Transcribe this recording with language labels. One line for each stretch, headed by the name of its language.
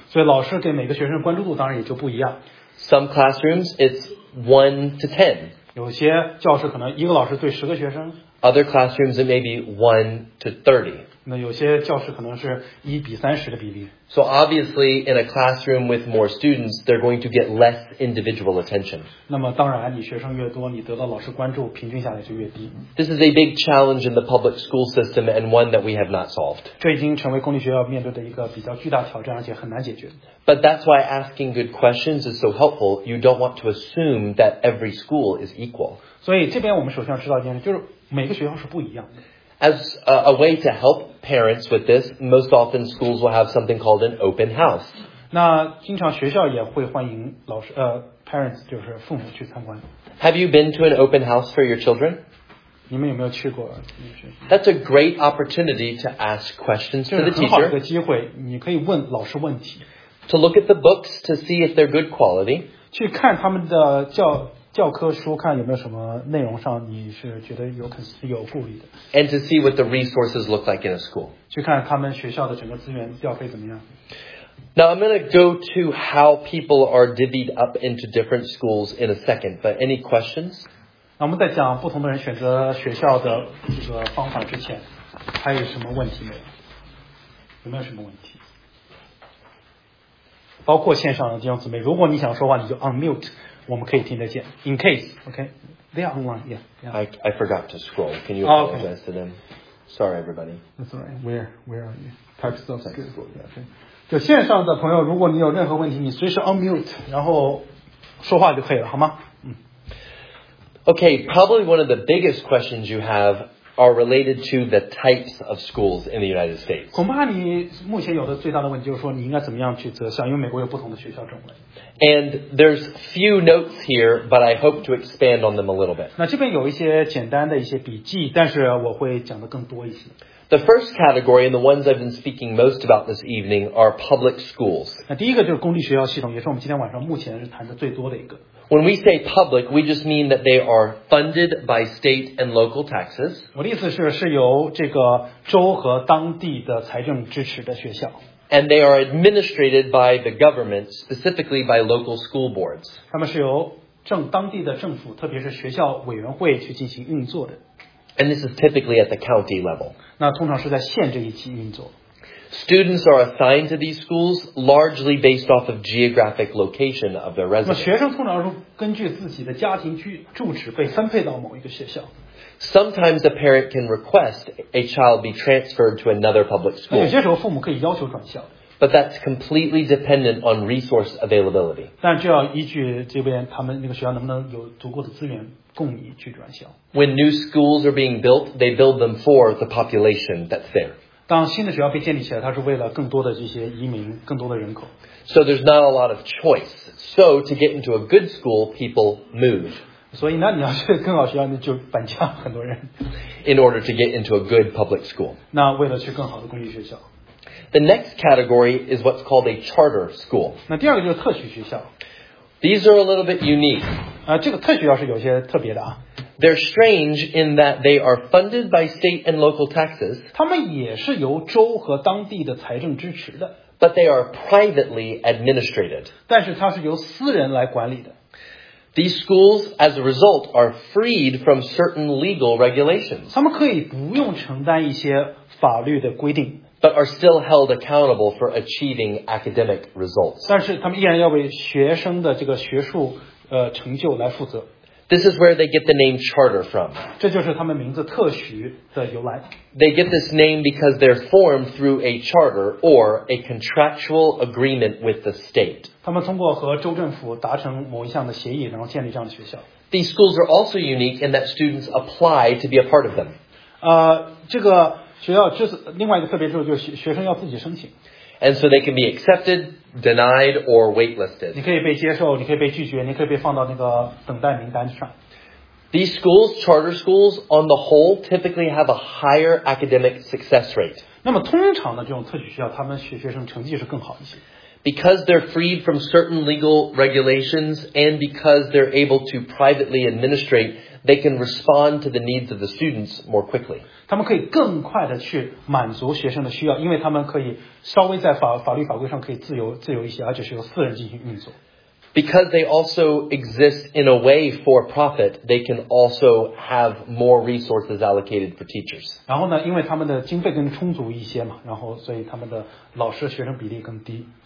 Chinese: 所以老师给每个学生关注度当然也就不一样。
English: Some classrooms, it's 1 to 10.
Chinese: 有些教室可能一个老师对十个学生。
English: Other classrooms, it may be 1 to 30.
Chinese: 那有些教室可能是1:30的比例。
English: So obviously, in a classroom with more students, they're going to get less individual attention.
Chinese: 那么当然，你学生越多，你得到老师关注，平均下来就越低。
English: This is a big challenge in the public school system and one that we have not solved.
Chinese: 这已经成为公立学校面对的一个比较巨大挑战，而且很难解决。
English: But that's why asking good questions is so helpful. You don't want to assume that every school is equal.
Chinese: 所以这边我们首先要知道一件事，就是每个学校是不一样的。
English: As a way to help parents with this, most often schools will have something called an open house.
Chinese: 那经常学校也会欢迎老师
English: parents
Chinese: 就是父母去参观。
English: Have you been to an open house for your children?
Chinese: 你们有没有去过？
English: That's a great opportunity to ask questions to the teacher.
Chinese: 这是很好的机会，你可以问老师问题。
English: To look at the books to see if they're good quality.
Chinese: 去看他们的教科书看有没有什么内容上你是觉得有顾虑的。
English: And to see what the resources look like in a school.
Chinese: 去看他们学校的整个资源调配怎么样。
English: Now I'm going to go to how people are divvied up into different schools in a second, but any questions?
Chinese: 那我们在讲不同的人选择学校的这个方法之前，还有什么问题没有？有没有什么问题？包括线上的弟兄姊妹，如果你想说话，你就 unmute。我们可以听得见 ，
English: in case, okay, they are online, yeah. I forgot to scroll. Can you apologize、 okay. to them? Sorry, everybody. That's all right. Where are you? Type stuff. Type stuff. Okay.
Chinese: 就线上的朋友，如果你有任何问题，你随时 unmute， 然后说话就可以了，好吗？
English: Okay, probably one of the biggest questions you have are related to the types of schools in the United States.
Chinese: 恐怕你目前有的最大的问题就是说你应该怎么样去择校，因为美国有不同的学校种类。
English: And there's few notes here, but I hope to expand on them a little bit.
Chinese: 那这边有一些简单的一些笔记，但是我会讲的更多一些。
English: The first category, and the ones I've been speaking most about this evening, are public schools.
Chinese: 那第一个就是公立学校系统，也是我们今天晚上目前是谈的最多的一个。
English: When we say public, we just mean that they are funded by state and local taxes.
Chinese: 我的意思是，是由这个州和当地的财政支持的学校。
English: And they are administrated by the government, specifically by local school boards.
Chinese: 他们是由当地的政府，特别是学校委员会去进行运作的。
English: And this is typically at the county level.
Chinese: 那通常是在县这一级运作。
English: Students are assigned to these schools largely based off of geographic location of their residence.
Chinese: 学生通常是根据自己的家庭住址被分配到某一个学校。
English: Sometimes a parent can request a child be transferred to another public school.
Chinese: 有些时候父母可以要求转校。
English: But that's completely dependent on resource availability.
Chinese: 但就要依据这边他们那个学校能不能有足够的资源。供你去转校。
English: When new schools are being built, they build them for the population that's there.
Chinese: 当新的学校被建立起来，它是为了更多的这些移民，更多的人口。
English: So there's not a lot of choice. So to get into a good school, people move.
Chinese: 所以呢，你要去更好学校，那就搬家，很多人。
English: In order to get into a good public school.
Chinese: 那为了去更好的公立学校。
English: The next category is what's called a charter school.
Chinese: 那第二个就是特许学校。
English: These are a little bit unique.
Chinese: 这个特许学校是有些特别的啊。
English: They're strange in that they are funded by state and local taxes.
Chinese: 他们也是由州和当地的财政支持的。
English: But they are privately administrated.
Chinese: 但是它是由私人来管理的。
English: These schools, as a result, are freed from certain legal regulations.
Chinese: 他们可以不用承担一些法律的规定。
English: But are still held accountable for achieving academic results.
Chinese: 但是他们依然要为学生的这个学术成就来负责。
English: This is where they get the name charter from.
Chinese: 这就是他们名字特许的由来。
English: They get this name because they're formed through a charter or a contractual agreement with the state.
Chinese: 他们通过和州政府达成某一项的协议，然后建立这样的学校。
English: These schools are also unique in that students apply to be a part of them.
Chinese: 这个。学校就是另外一个特别之处，就是学生要自己申请。
English: And so they can be accepted, denied, or waitlisted.
Chinese: 你可以被接受，你可以被拒绝，你可以被放到那个等待名单上。
English: These schools, charter schools, on the whole, typically have a higher academic success rate.
Chinese: 那么通常的这种特许学校，他们学生成绩是更好一些。
English: Because they're freed from certain legal regulations and because they're able to privately administrate, they can respond to the needs of the students more quickly.
Chinese: 他们可以更快的去满足学生的需要，因为他们可以稍微在法律法规上可以自由一些，而且是由私人进行运作。
English: Because they also exist in a way for profit, they can also have more resources allocated for teachers.
Chinese: 然后呢，因为他们的经费更充足一些嘛，然后所以他们的老师学生比例更低。